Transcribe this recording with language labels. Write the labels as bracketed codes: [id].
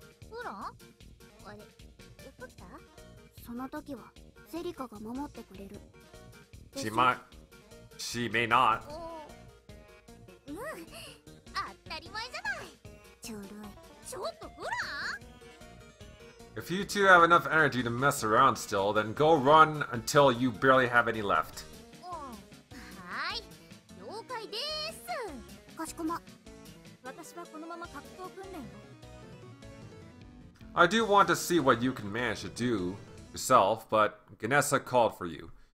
[ja] ほら、あれ、怒った？その時はセリカが守ってくれる。 [en] She might. She may not. [ja] うん、当たり前じゃない。ちょろい。ちょっとほら。 [en] If you two have enough energy to mess around still, then go run until you barely have any left. [ja] はい、了解です。かしこま。私はこのまま格闘訓練を。 [en] I do want to see what you can manage to do yourself, but Ganessa called for you.